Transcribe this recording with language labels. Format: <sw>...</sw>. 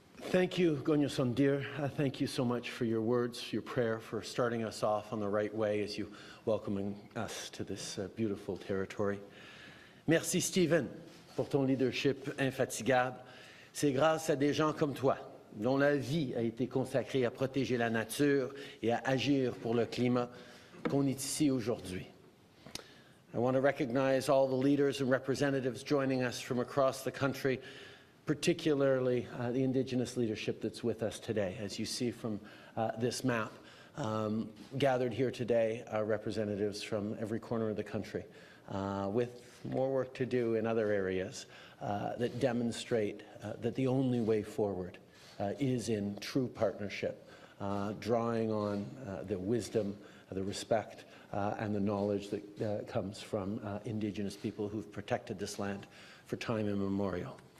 <en>Thank you, Gonyosom Dir. Thank you so much for your words, your prayer, for starting us off on the right way as you welcoming us to this beautiful territory.</en> <fr>Merci, Stephen, pour ton leadership infatigable. C'est grâce à des gens comme toi, dont la vie a été consacrée à protéger la nature et à agir pour le climat, qu'on est ici aujourd'hui.</fr> <en>I want to recognize all the leaders and representatives joining us from across the country, particularly the Indigenous leadership that's with us today. As you see from this map, gathered here today are representatives from every corner of the country, with more work to do in other areas that demonstrate that the only way forward is in true partnership, drawing on the wisdom, the respect, and the knowledge that comes from Indigenous people who've protected this land for time immemorial.</en>